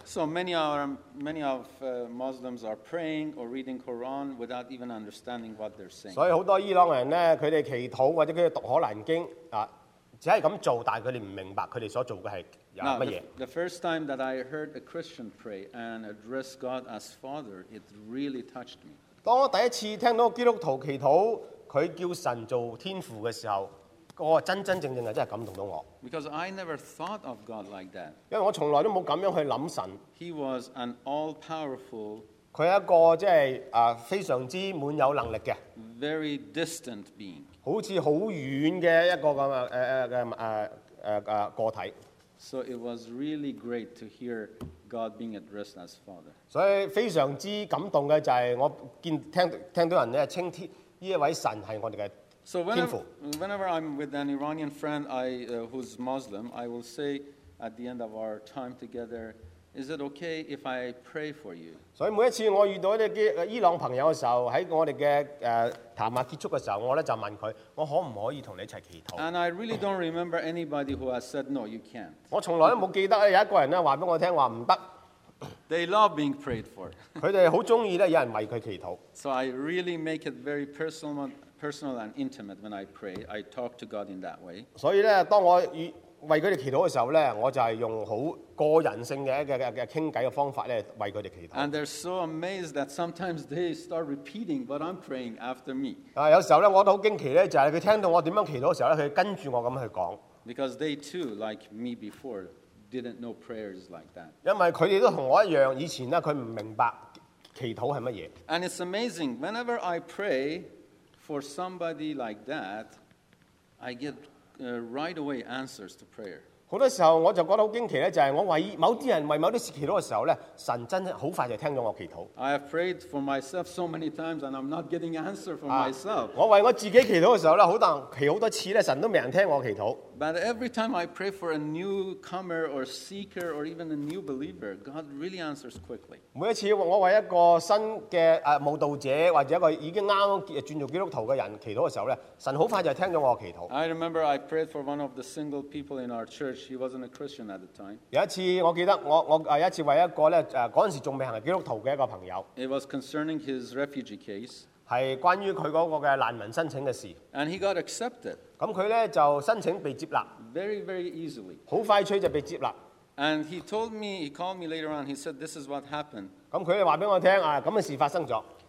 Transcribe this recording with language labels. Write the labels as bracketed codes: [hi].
[en] So many of Muslims are praying or reading Quran without even understanding what they're saying. [yue] 所以好多伊朗人咧，佢哋祈禱或者佢哋讀可蘭經啊，只係咁做，但係佢哋唔明白佢哋所做嘅係有乜嘢。 [en] The first time that I heard a Christian pray and address God as Father, it really touched me. [yue] 當我第一次聽到基督徒祈禱，佢叫神做天父嘅時候。我真真正正係真係感動到我。 [en] Because I never thought of God like that. [yue] 因為我從來都冇咁樣去諗神。 [en] He was an all-powerful. [yue] 佢係一個即係非常之滿有能力嘅。 [en] Very distant being. [yue] 好似好遠嘅一個咁個體。 [en] So it was really great to hear God being addressed as Father. [yue] 所以非常之感動嘅就係我聽到人咧稱天呢一位神係我哋嘅。 [en] So whenever I'm with an Iranian friend who's Muslim, I will say at the end of our time together, is it okay if I pray for you? [yue] 所以每一次我遇到啲伊朗朋友嘅時候，喺我哋嘅談話結束嘅時候，我咧就問佢：我可唔可以同你一齊祈禱 [en] ？And I really don't remember anybody who has said no, you can't. [yue] 我從來都冇記得有一個人咧話俾我聽話唔得。 [en] They love being prayed for. [yue] 佢哋好中意咧有人為佢祈禱。 [en] So I really make it very personal. Personal and intimate when I pray, I talk to God in that way. [yue] 所以咧，當我為佢哋祈禱嘅時候咧，我就係用好個人性嘅一個傾偈嘅方法咧，為佢哋祈禱。 [en] And they're so amazed that sometimes they start repeating what I'm praying after me. [yue] 啊，有時候咧，我都好驚奇咧，就係佢聽到我點樣祈禱嘅時候咧，佢跟住我咁去講。 [en] Because they too, like me before, didn't know prayers like that. [yue] 因為佢哋都同我一樣，以前咧佢唔明白祈禱係乜嘢。 [en] And it's amazing whenever I pray. For somebody like that, I get right away answers to prayer. [yue] 好多時候我就覺得好驚奇咧，就係我為某啲人為某啲事祈禱嘅時候咧，神真係好快就聽咗我祈禱。 [en] I have prayed for myself so many times, and I'm not getting answer for myself. [yue] 我為我自己祈禱嘅時候咧，好多次咧，神都未人聽我祈禱。 [en] But every time I pray for a newcomer or seeker or even a new believer, God really answers quickly. [yue] 每一次我為一個新嘅慕道者或者一個已經啱轉做基督徒嘅人祈禱嘅時候咧，神好快就聽咗我祈禱。 [en] I remember I prayed for one of the single people in our church. He wasn't a Christian at the time. [yue] 有一次我記得我有一次為一個咧嗰陣時仲未行基督徒嘅一個朋友。 [en] It was concerning his refugee case. [yue] 係關於佢嗰個嘅難民申請嘅事。 [en] And he got accepted. [yue] 咁佢咧就申請被接納 [en] ，very very easily， [yue] 好快脆就被接納。 [en] And he told me, he called me later on. He said, "This is what happened." [yue] 咁佢話俾我聽啊，咁嘅事發生咗。